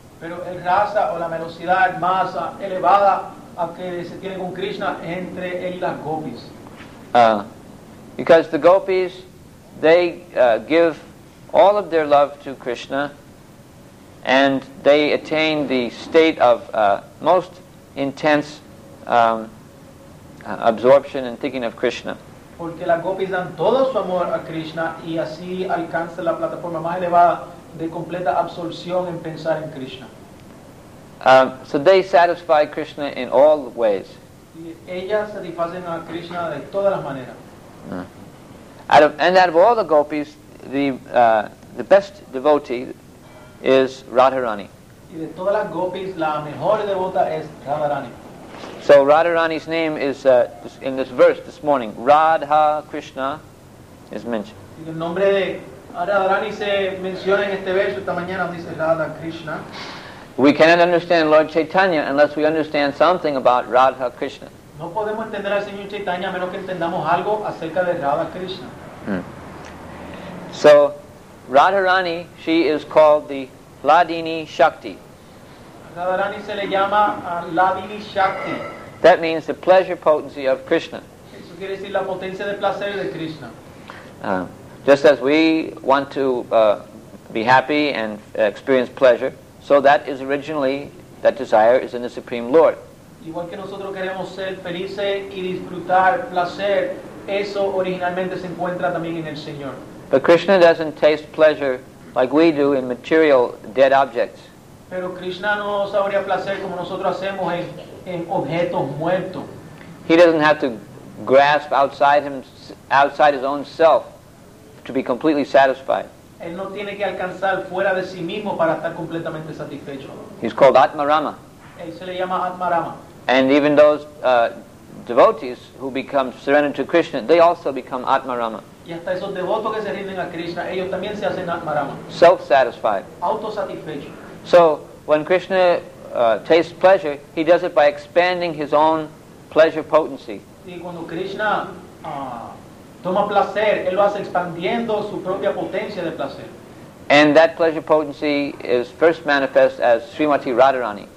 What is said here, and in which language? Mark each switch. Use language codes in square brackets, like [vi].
[es] Pero el rasa o la melosidad más elevada a que se tiene con Krishna entre él y las gopis. [en] Because the gopis, they give all of their love to Krishna, and they attain the state of most intense absorption and thinking of Krishna. [es] Porque las gopis dan todo su amor a Krishna y así alcanzan la plataforma más elevada de completa absorción en pensar en Krishna. [en] So they satisfy Krishna in all ways. [es] Y ellas satisfacen a Krishna de todas las maneras. [en] Out of all the gopis, the best devotee is Radharani. [es] Y de todas las gopis, la mejor devota es Radharani. [en] So Radharani's name is in this verse this morning. Radha Krishna is mentioned. [es] Y el nombre de Radharani se menciona en este verso esta mañana, dice Radha Krishna. [en] We cannot understand Lord Chaitanya unless we understand something about Radha Krishna. [es] No podemos entender al Señor Chaitanya a menos que entendamos algo acerca de Radha Krishna. [en] So, Radharani, she is called the Ladini Shakti. [es] Radharani se le llama Ladini Shakti. [en] That means the pleasure potency of Krishna. [es] Eso quiere decir la potencia de placer de Krishna. [en] Just as we want to be happy and experience pleasure, so that is originally, that desire is in the Supreme Lord. [es] Igual que nosotros queremos ser felices y disfrutar placer, eso originalmente se encuentra también en el Señor. [en] But Krishna doesn't taste pleasure like we do in material dead objects. [es] Pero Krishna no sabría placer como nosotros hacemos en objetos muertos. [en] He doesn't have to grasp outside his own self to be completely satisfied. [es] Él no tiene que alcanzar fuera de sí mismo para estar completamente satisfecho. [en] He's called Atmarama. [es] Él se le llama Atmarama. [en] And even those devotees who become surrendered to Krishna, they also become Atmarama. [es] Y hasta esos devotos que se rinden a Krishna, ellos también se hacen atmarama. [en] Self-satisfied. [es] Autosatisfecho. [en] So, when Krishna tastes pleasure, he does it by expanding his own pleasure potency. [es] Y cuando Krishna toma placer, él lo hace expandiendo su propia potencia de placer. [en] And that pleasure potency is first manifest as Srimati Radharani.